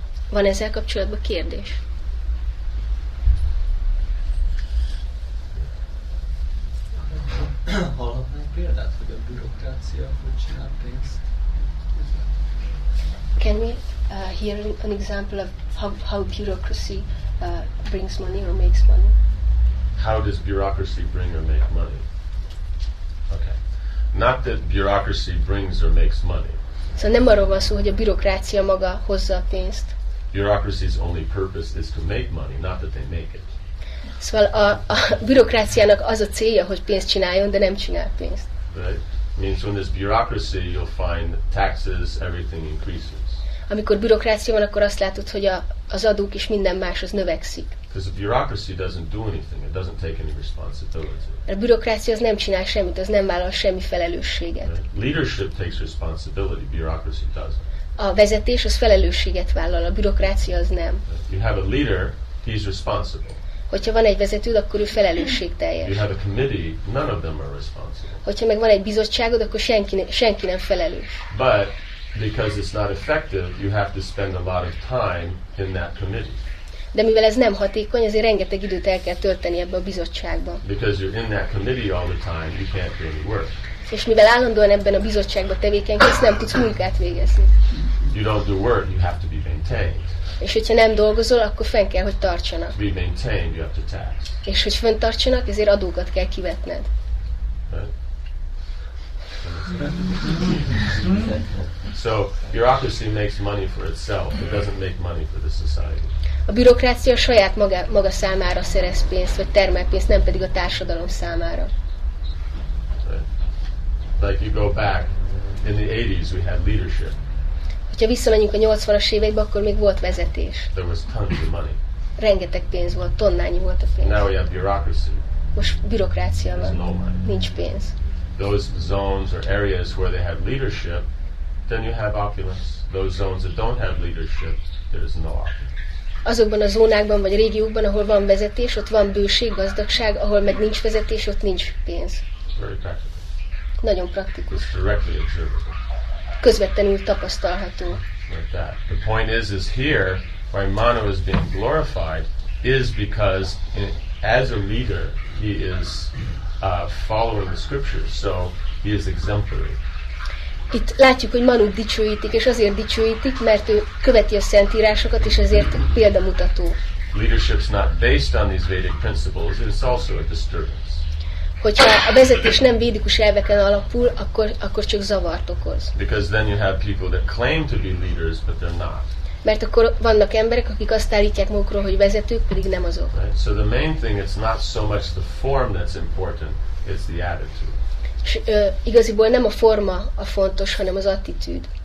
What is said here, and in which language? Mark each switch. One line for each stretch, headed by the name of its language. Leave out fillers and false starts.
Hungarian: Van ezzel kapcsolatban kérdés? Hallhatnánk példát, hogy a bürokrácia hogy csinál pénzt?
English: Can we hear an example of how bureaucracy brings money or makes money? How does bureaucracy bring or make money? Okay. Not that bureaucracy brings or makes money.
Hungarian: Szóval nem arról van szó, hogy a bürokrácia maga hozza a pénzt.
English: Bureaucracy's only purpose is to make money, not that they make it.
Hungarian: Szóval a bürokráciának az a célja, hogy pénzt csináljon, de nem csinál pénzt.
English: Right. Means when there's bureaucracy, you'll find taxes, everything increases.
Hungarian: Amikor bürokrácia van, akkor azt látod, hogy az adók is minden máshoz növekszik.
English: Because the bureaucracy doesn't do anything, it doesn't take any responsibility.
Hungarian: A bürokrácia az nem csinál semmit, az nem vállal semmi felelősséget.
English: Right. Leadership takes responsibility, bureaucracy doesn't.
Hungarian: A vezetés az felelősséget vállal, a bürokrácia az nem.
English: If you have a leader, he's responsible.
Hungarian: Hogyha van egy vezetőd, akkor ő felelősségteljes.
English: You have a committee, none of them are responsible.
Hungarian: Hogyha meg van egy bizottságod, akkor senki nem felelős.
English: But because it's not effective, you have to spend a lot of time in that committee.
Hungarian: De mivel ez nem hatékony, azért rengeteg időt el kell tölteni ebbe a bizottságba.
English: Because you're in that committee all the time, you can't really work.
Hungarian: És mivel állandóan ebben a bizottságban tevékenykedsz, nem tudsz munkát végezni.
English: You don't do work, you have to be maintained.
Hungarian: És hogyha nem dolgozol, akkor fenn kell, hogy tartsanak.
English: To be maintained, you have to tax.
Hungarian: És hogy fenn tartsanak, ezért adókat kell kivetned.
English: So bureaucracy makes money for itself. It doesn't make money for the society.
Hungarian: A bürokrácia saját maga számára szerez pénzt, vagy termel pénzt, nem pedig a társadalom számára.
English: Like you go back in the 80s, we had leadership.
Hungarian: Hogyha visszamegyünk a 80-as évekbe, akkor még volt vezetés.
English: There was tons of money.
Hungarian: Rengeteg pénz volt, tonnányi volt a pénz.
English: Now we have bureaucracy.
Hungarian: Most bürokrácia van.
English: There's no money.
Hungarian: Nincs pénz.
English: Those zones or areas where they have leadership, then you have opulence. Those zones that don't have leadership, there is no opulence.
Hungarian: Azokban a zónákban vagy a régiókban, ahol van vezetés, ott van bőség, gazdagság, ahol meg nincs vezetés, ott nincs pénz.
English: Very practical.
Hungarian: Nagyon praktikus.
English: It's directly observable.
Hungarian: Közvetlenül tapasztalható.
English: Like that. The point is here why Manu is being glorified is because in, as a leader he is following the scriptures, so he is exemplary.
Hungarian: Itt látjuk, hogy Manu dicsőítik, és azért dicsőítik, mert ő követi a szentírásokat, és ezért példamutató.
English: Leadership is not based on these Vedic principles, it is also a disturbance.
Hungarian: Hogyha a vezetés nem védikus elveken alapul, akkor csak zavart okoz.
English: Because then you have people that claim to be leaders, but they're not.
Hungarian: Mert akkor vannak emberek, akik azt állítják magukról, hogy vezetők, pedig nem azok.
English: Right. So the main thing is not so much the form that's important, it's the attitude.
Hungarian: És igaziból nem a forma a fontos, hanem az attitűd.